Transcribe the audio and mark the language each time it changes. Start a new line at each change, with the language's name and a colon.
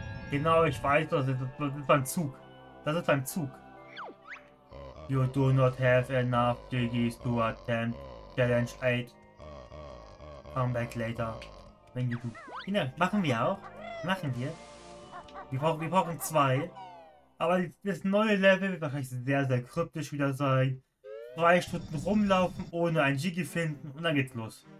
German: Genau, ich weiß, das ist mein Zug. Das ist mein Zug.
English: You do not have enough degrees to attempt challenge 8. Come back later. Wenn du. Machen wir auch. Machen wir. Wir brauchen zwei. Aber das neue Level wird wahrscheinlich sehr, sehr kryptisch wieder sein. 3 Stunden rumlaufen, ohne ein Jiggy finden und dann geht's los.